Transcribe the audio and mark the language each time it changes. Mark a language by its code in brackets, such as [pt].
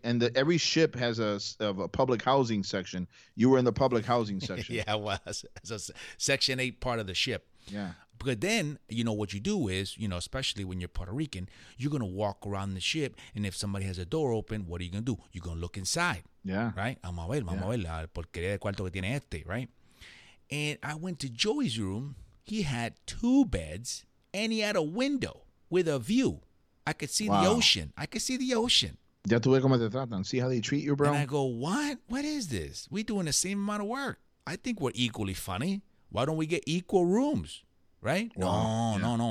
[en] And every ship has a public housing section. You were in the public housing section. Yeah, I was. It's a Section 8 part of the ship. Yeah. But then, you know, what you do is, you know, especially when you're Puerto Rican, you're going to walk around the ship, and if somebody has a door open, what are you going to do? You're going to look inside. Yeah. Right? [es] Vamos a ver, porquería de cuarto que tiene este, [en] right? And I went to Joey's room. He had two beds, and he had a window with a view. I could see the ocean. [es] Ya tuve cómo te tratan. [en] See how they treat you, bro? And I go, what? What is this? We're doing the same amount of work. I think we're equally funny. Why don't we get equal rooms, right? No.